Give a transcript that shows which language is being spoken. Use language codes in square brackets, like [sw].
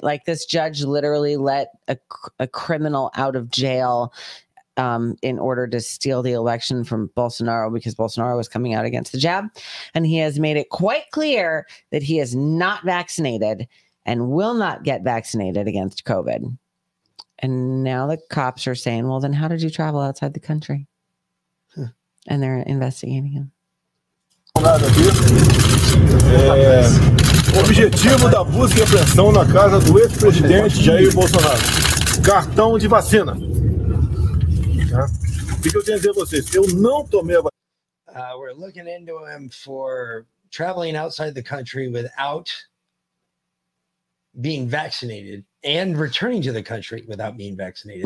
[en] Like, this judge literally let a criminal out of jail in order to steal the election from Bolsonaro, because Bolsonaro was coming out against the jab. And he has made it quite clear that he is not vaccinated and will not get vaccinated against COVID. And now the cops are saying, well, then how did you travel outside the country? Huh. And they're investigating him. [pt] O objetivo da busca e apreensão na casa do ex-presidente Jair Bolsonaro: cartão de vacina. O que eu tenho a dizer a vocês? Eu não tomei a vacina. [en] We're looking into him for traveling outside the country without being vaccinated and returning to the country without being vaccinated.